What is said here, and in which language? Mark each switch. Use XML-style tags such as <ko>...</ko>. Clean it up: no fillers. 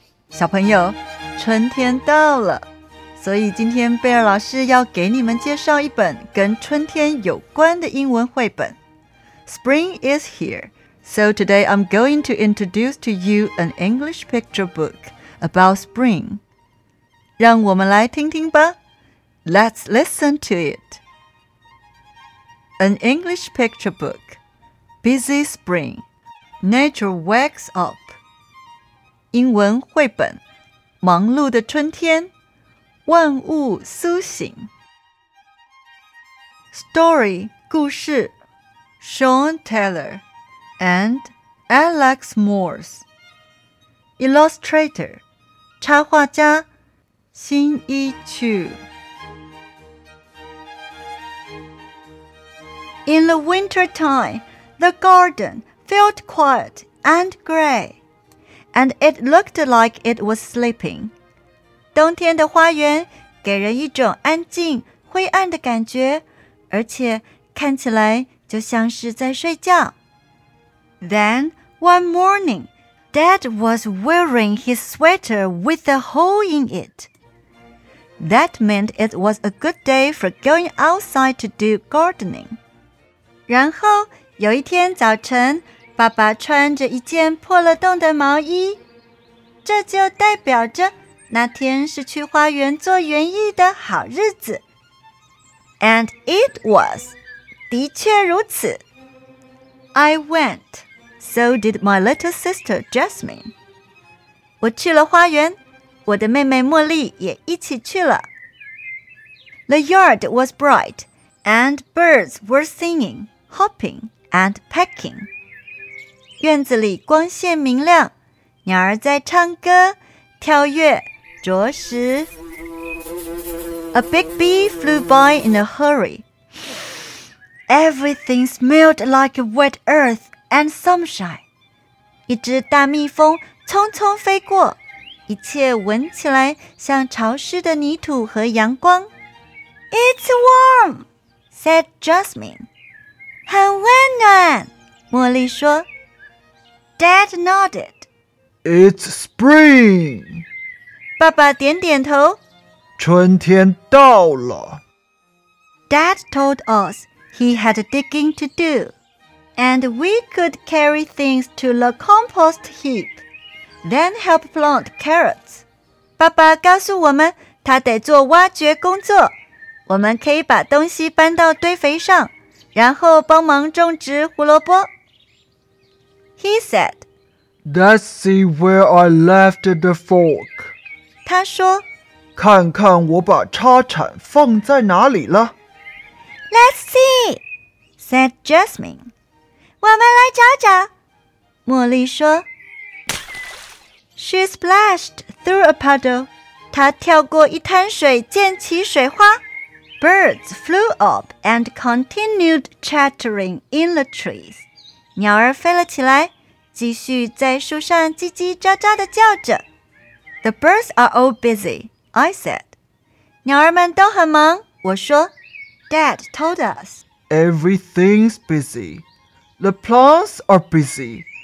<zh>小朋友，春天到了，所以今天贝尔老师要给你们介绍一本跟春天有关的英文绘本。</zh> <en>Spring is here, so today I'm going to introduce to you an English picture book about spring.</en> <zh>让我们来听听吧。</zh> <en>Let's listen to it. An English picture book. Busy spring. Nature wakes up.</en> <zh>英文绘本。忙碌的春天。万物苏醒。</zh> <en>Story, 故事。Sean Taylor and Alex Morse.</en> <zh>Illustrator, 插画家。新一曲。</zh> <en>In the winter time, the garden felt quiet and gray, and it looked like it was sleeping.</en> <zh>冬天的花园给人一种安静、灰暗的感觉，而且看起来就像是在睡觉。</zh> <en>Then, one morning, Dad was wearing his sweater with a hole in it. That meant it was a good day for going outside to do gardening.</en> <zh>然后有一天早晨，爸爸穿着一件破了洞的毛衣，这就代表着那天是去花园做园艺的好日子。</zh> <en>And it was.</en> <zh>的确如此。</zh> <en>I went. So did my little sister Jasmine.</en> <zh>我去了花园，我的妹妹茉莉也一起去了。</zh> <en>The yard was bright, and birds were singing. Hopping and pecking.</en> <zh>院子里光线明亮，鸟儿在唱歌、跳跃、啄食。</zh> <en>A big bee flew by in a hurry. Everything smelled like wet earth and sunshine.</en> <zh>一只大蜜蜂匆匆飞过，一切闻起来像潮湿的泥土和阳光。</zh> <en>It's warm, said Jasmine.</en> <zh>很温暖，茉莉说。</zh> <en>Dad nodded. It's spring.</en> <zh>爸爸点点头。春天到了。</zh> <en>Dad told us he had digging to do, and we could carry things to the compost heap, then help plant carrots.</en> <zh>爸爸告诉我们，他得做挖掘工作，我们可以把东西搬到堆肥上。然后帮忙种植胡萝卜。</zh> <en>He said, Let's see where I left the fork.</en> <zh>他说，看看我把叉铲放在哪里了。</zh> <en>Let's see, said Jasmine.</en> <zh>我们来找找。茉莉说。</zh> <en>She splashed through a puddle.</en> <zh>她跳过一滩水溅起水花。</zh> <en>Birds flew up and continued chattering in the trees.</en> <zh>鸟儿飞了起来，继续在树上叽叽喳喳地叫着。</zh> <en>The birds are all busy, I said.</en> <zh>鸟儿们都很忙，我说。</zh> <en>Dad told us. Everything's busy. The plants are busy.</en>